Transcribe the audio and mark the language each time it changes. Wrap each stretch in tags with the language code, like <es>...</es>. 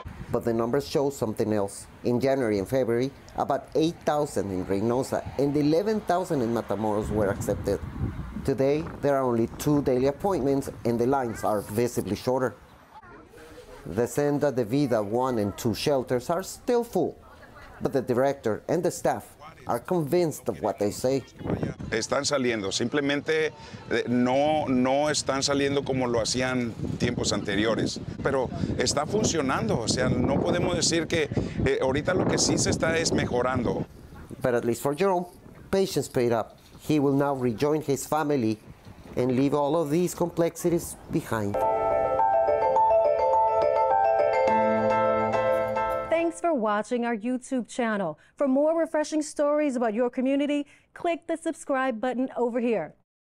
<en>But the numbers show something else. In January and February, about 8,000 in Reynosa and 11,000 in Matamoros were accepted. Today, there are only 2 daily appointments and the lines are visibly shorter. The Senda de Vida 1 and 2 shelters are still full. But the director and the staff are convinced of what they say.</en> <es>Están saliendo, simplemente no están saliendo como lo hacían tiempos anteriores, pero está funcionando, o sea, no podemos decir que ahorita lo que sí se está es mejorando.</es> <en>But at least for Jerome, patience paid up. He will now rejoin his family and leave all of these complexities behind. Thanks for watching our YouTube channel. For more refreshing stories about your community, click the subscribe button over here.</en>